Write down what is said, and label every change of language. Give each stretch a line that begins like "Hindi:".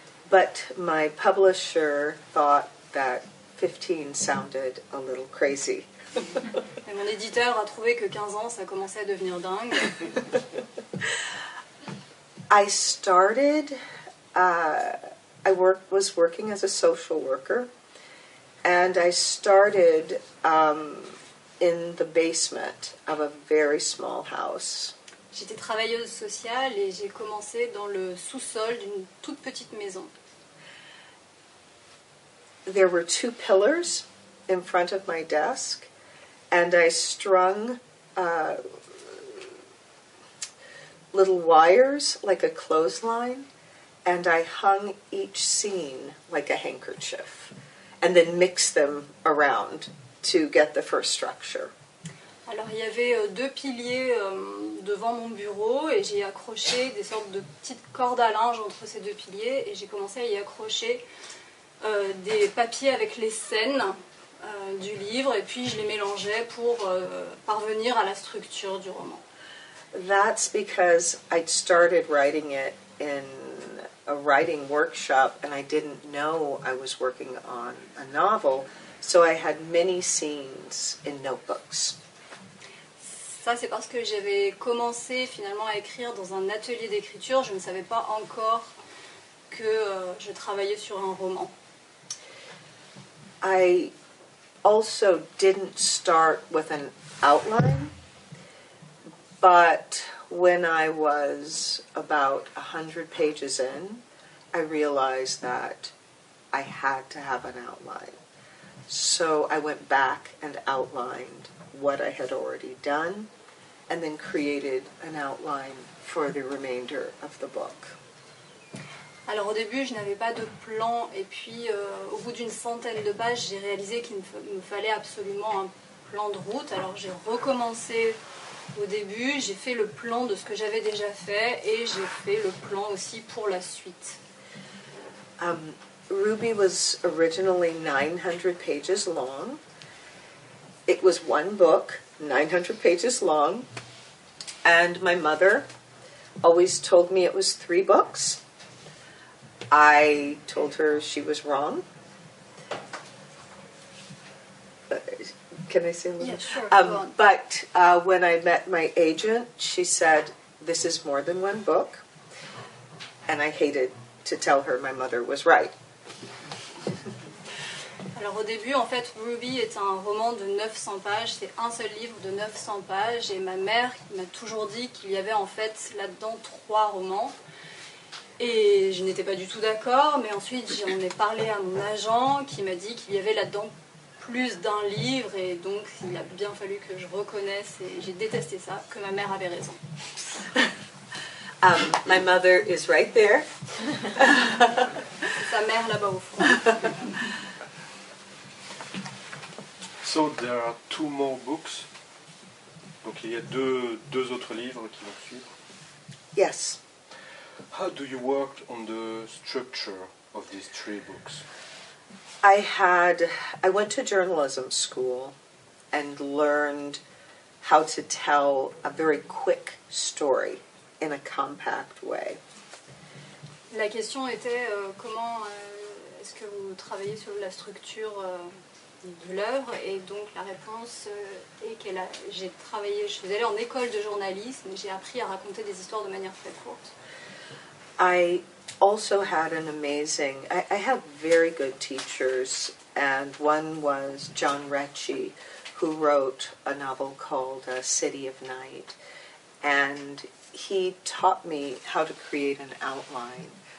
English: But my publisher thought that 15 sounded a little crazy.
French: Et mon éditeur a trouvé que 15 ans, ça commençait à devenir dingue.
English: I started, I was working as a social worker, and I started in the basement of a very small house.
French: J'étais travailleuse sociale et j'ai commencé dans le sous-sol d'une toute petite maison.
English: There were two pillars in front of my desk, and I strung little wires like a clothesline, and I hung each scene like a handkerchief, and then mixed them around to get the first structure.
French: Alors, il y avait deux piliers devant mon bureau, et j'ai accroché des sortes de petites cordes à linge entre ces deux piliers, et j'ai commencé à y accrocher des papiers avec les scènes du livre et puis je les mélangeais pour parvenir à la structure du roman.
English: That's because I'd started writing it in a writing workshop and I didn't know I was working on a novel, so I had many scenes in notebooks.
French: Ça c'est parce que j'avais commencé finalement à écrire dans un atelier d'écriture, je ne savais pas encore que je travaillais sur un roman.
English: I also didn't start with an outline, but when I was about 100 pages in, I realized that I had to have an outline. So I went back and outlined what I had already done, and then created an outline for the remainder of the book.
French: Alors au début, je n'avais pas de plan et puis au bout d'une centaine de pages, j'ai réalisé qu'il me fallait absolument un plan de route. Alors j'ai recommencé au début, j'ai fait le plan de ce que j'avais déjà fait et j'ai fait le plan aussi pour la suite.
English: Ruby was originally 900 pages long. It was one book, 900 pages long. And my mother always told me it was 3 books. I told her she was wrong. Can I say a little? Yeah, sure. When I met my agent, she said, this is more than one book. And I hated to tell her my mother was right.
French: Alors au début, en fait, Ruby est un roman de 900 pages. C'est un seul livre de 900 pages. Et ma mère m'a toujours dit qu'il y avait en fait là-dedans 3 romans. Et je n'étais pas du tout d'accord, mais ensuite j'en ai parlé à mon agent qui m'a dit qu'il y avait là-dedans plus d'un livre et donc il a bien fallu que je reconnaisse et j'ai détesté ça, que ma mère avait raison.
English: My mother is right there.
French: Sa mère là-bas au fond.
English: So there are 2 more books.
French: Donc il y a deux autres livres qui vont suivre.
English: Yes. How do you work on the structure of these 3 books? I went to journalism school and learned how to tell a very quick story in a compact way.
French: La question était comment est-ce que vous travaillez sur la structure de l'œuvre, et donc la réponse est qu'elle a, j'ai travaillé, je suis allée en école de journalisme, j'ai appris à raconter des histoires de manière très courte.
English: I also had an amazing, I had very good teachers, and one was John Retchie, who wrote a novel called A City of Night, and he taught me how to create an outline.